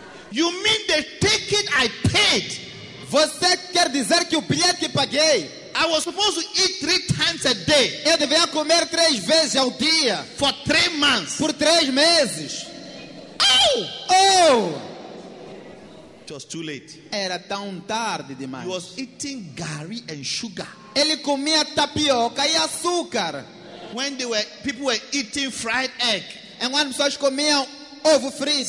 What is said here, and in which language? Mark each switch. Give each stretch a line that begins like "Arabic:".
English: You mean the ticket I paid?
Portuguese: Você quer dizer que o bilhete que paguei?
English: I was supposed to eat 3 times a day.
Portuguese: Eu devia comer 3 vezes ao dia.
English: For 3 months.
Portuguese: Por 3 meses. Oh! Oh!
English: It was too late.
Portuguese: Era tão tarde demais.
English: He was eating gari and sugar.
Portuguese: Ele comia tapioca e açúcar.
English: When people were eating fried egg.
Portuguese: And quando pessoas comiam ovo frito,